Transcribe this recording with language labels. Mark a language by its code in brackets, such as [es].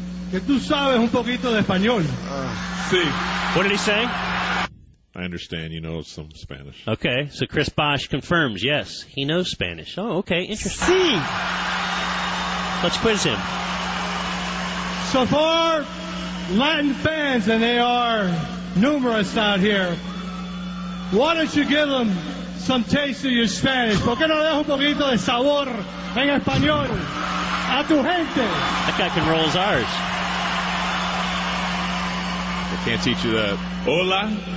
[es] Que tú sabes un poquito de español. Sí. [en] What did he say? I understand you know some Spanish. Okay, so Chris Bosch confirms, yes, he knows Spanish. Oh, okay, interesting. [es] Sí. [en] Let's quiz him. So far, Latin fans, and they are numerous out here, why don't you give them some taste of your Spanish? [es] ¿Por qué no dejas un poquito de sabor en español? A tu gente. [en] That guy can roll his R's. I can't teach you that. [es] Hola.